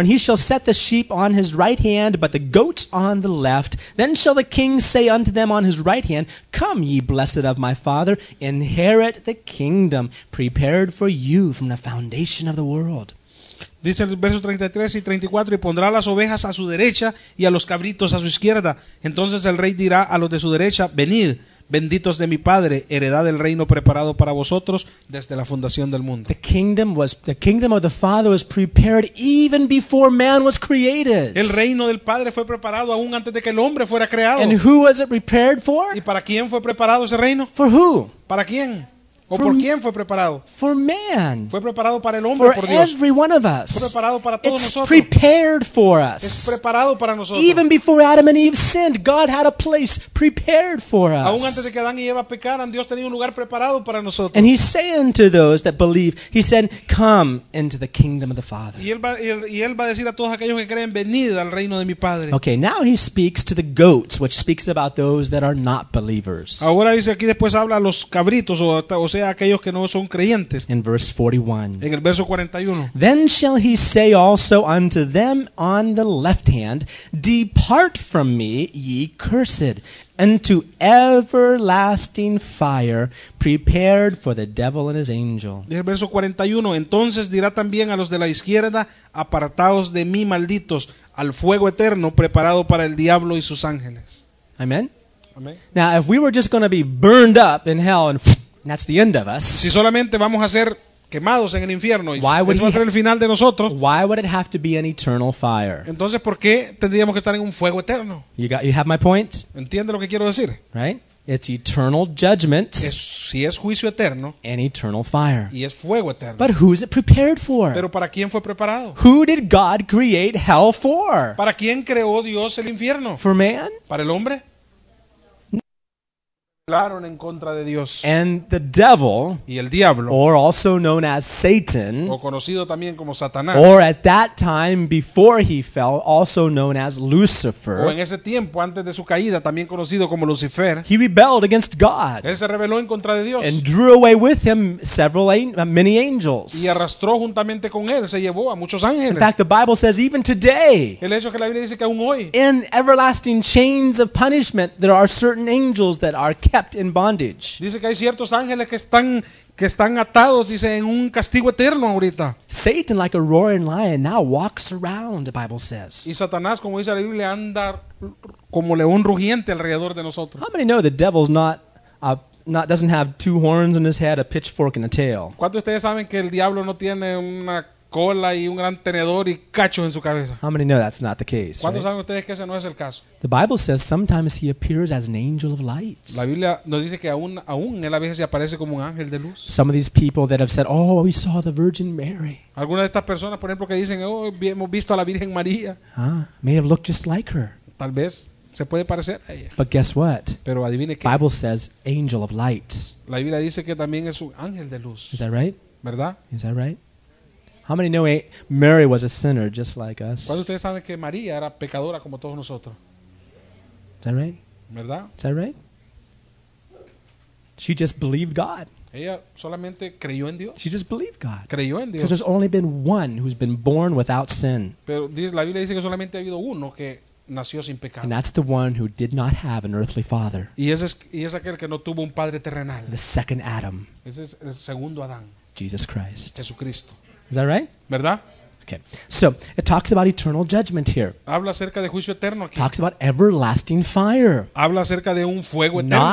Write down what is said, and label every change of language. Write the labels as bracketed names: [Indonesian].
[English] And he shall set the sheep on his right hand, but the goats on the left. Then shall the king say unto them on his right hand, Come, ye blessed of my Father, inherit the kingdom prepared for you from the foundation of the world. [Spanish] Dice el verso 33 y 34, y pondrá las ovejas a su derecha y a los cabritos a su izquierda. Entonces el rey dirá a los de su derecha, venid, benditos de mi Padre, heredad del reino preparado para vosotros desde la fundación del mundo. [English] The kingdom of the Father was prepared even before man was created. [Spanish] El reino del Padre fue preparado aún antes de que el hombre fuera creado. [English] And who was it prepared for? [Spanish] ¿Y para quién fue preparado ese reino? [English] For who? [Spanish] ¿Para quién? ¿O por quién fue preparado? [English] For man. [Spanish] Fue preparado para el hombre, por Dios. [English] Every one of us. [Spanish] Fue preparado para todos nosotros. [English] It's prepared for us. [Spanish] Es preparado para nosotros. [English] Even before Adam and Eve sinned, God had a place prepared for us. [Spanish] Aún antes de que Adán y Eva pecaran, Dios tenía un lugar preparado para nosotros. [English] And he's saying to those that believe, he said, come into the kingdom of the Father. [Spanish] Y él va a decir a todos aquellos que creen, venid al reino de mi Padre. [English] Okay, now he speaks to the goats, which speaks about those that are not believers. [Spanish] Ahora dice aquí, después habla a los cabritos o sea, aquellos que no son creyentes. [English] In verse 41. [Spanish] En el verso 41. [English] Then shall he say also unto them on the left hand, Depart from me, ye cursed, into everlasting fire, prepared for the devil and his angel. [Spanish] En el verso 41. Entonces dirá también a los de la izquierda, Apartaos de mí, malditos, al fuego eterno, preparado para el diablo y sus ángeles. [English] Amen. Amen. Now, if we were just going to be burned up in hell and... And that's the end of us. [Spanish] Si solamente vamos a ser quemados en el infierno, eso va a ser el final de nosotros. [English] Why would it have to be an eternal fire? [Spanish] Entonces, ¿por qué tendríamos que estar en un fuego eterno? [English] You have my point? [Spanish] ¿Entiende lo que quiero decir? [English] Right? It's eternal judgment. [Spanish] Si es juicio eterno. [English] And eternal fire. [Spanish] Y es fuego eterno. [English] But who is it prepared for? [Spanish] Pero ¿para quién fue preparado? [English] Who did God create hell for? [Spanish] ¿Para quién creó Dios el infierno? [English] For man? [Spanish] ¿Para el hombre? Hablaron en contra de Dios. [English] And the devil, [Spanish] y el diablo, [English] or also known as Satan, [Spanish] o conocido también como Satanás, [English] or at that time before he fell, also known as Lucifer, [Spanish] o en ese tiempo antes de su caída, también conocido como Lucifer, [English] he rebelled against God. [Spanish] Él se rebeló en contra de Dios. [English] And drew away with him many angels. [Spanish] Y arrastró juntamente con él, se llevó a muchos ángeles. [English] In fact, the Bible says even today, [Spanish] el hecho que la Biblia dice que aún hoy, [English] in everlasting chains of punishment, there are certain angels that are kept in bondage. [Spanish] Dice que hay ciertos ángeles que están atados, dice, en un castigo eterno ahorita. [English] Satan, like a roaring lion, now walks around, the Bible says. [Spanish] Y Satanás, como dice la Biblia, anda como león rugiente alrededor de nosotros. [English] How many know the devil's not doesn't have two horns in his head, a pitchfork and a tail? [Spanish] ¿Cuántos de ustedes saben que el diablo no tiene una cola y un gran tenedor y cacho en su cabeza? [English] How many know that's not the case? [Spanish] ¿Cuántos [English] right? [Spanish] saben ustedes que ese no es el caso? [English] The Bible says sometimes he appears as an angel of light. [Spanish] La Biblia nos dice que aún él a veces se aparece como un ángel de luz. [English] Some of these people that have said, "Oh, we saw the Virgin Mary." [Spanish] Algunas de estas personas, por ejemplo, que dicen, "Oh, hemos visto a la Virgen María." [English] May have looked just like her. [Spanish] Tal vez se puede parecer a ella. [English] But guess what? [Spanish] Pero adivine qué. [English] Bible says angel of light. [Spanish] La Biblia dice que también es un ángel de luz. [English] Is that right? [Spanish] ¿Verdad? [English] Is that right? How many know Mary was a sinner just like us? [Spanish] ¿Cuántos de ustedes saben que María era pecadora como todos nosotros? [English] Is that right? [Spanish] ¿Verdad? [English] Is that right? She just believed God. [Spanish] Ella solamente creyó en Dios. [English] She just believed God. [Spanish] Creyó en Dios. [English] Because there's only been one who's been born without sin. [Spanish] Pero la Biblia dice que solamente ha habido uno que nació sin pecado. [English] And that's the one who did not have an earthly father. [Spanish] Y es aquel que no tuvo un padre terrenal. [English] The second Adam. [Spanish] Ese es el segundo Adán. [English] Jesus Christ. [Spanish] Jesucristo. [English] Is that right? [Spanish] ¿Verdad? [English] Okay. So, it talks about eternal judgment here. [Spanish] Habla acerca de juicio eterno aquí. [English] Talks about everlasting fire. [Spanish] Habla acerca de un fuego eterno.